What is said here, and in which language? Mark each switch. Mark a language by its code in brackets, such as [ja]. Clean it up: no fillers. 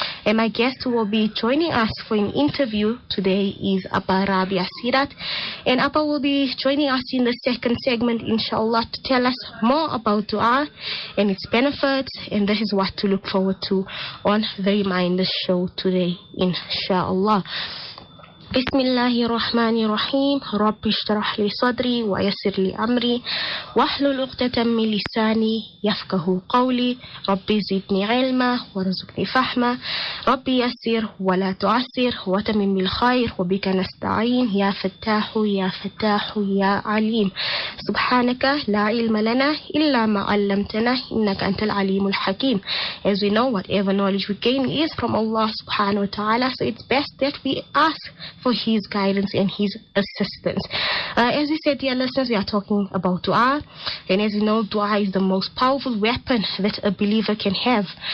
[en] And my guest who will be joining us for an interview today is Abba Rabia Sirat. And Abba will be joining us in the second segment, inshallah, to tell us more about dua and its benefits. And this is what to look forward to on the Reminder Show today, inshallah. [ar] بسم الله الرحمن الرحيم رب اشرح لي صدري ويسر لي امري واحلل عقدة من لساني يفقهوا قولي رب زدني علما وارزقني فهما رب يسر ولا تعسر وتمم بالخير وبك نستعين يا فتاح يا فتاح يا عليم سبحانك لا علم لنا الا ما علمتنا انك انت العليم الحكيم. [en] As we know, whatever knowledge we gain is from Allah subhanahu wa ta'ala, so it's best that we ask for his guidance and his assistance. As we said, dear listeners, we are talking about dua. And as you know, dua is the most powerful weapon that a believer can have.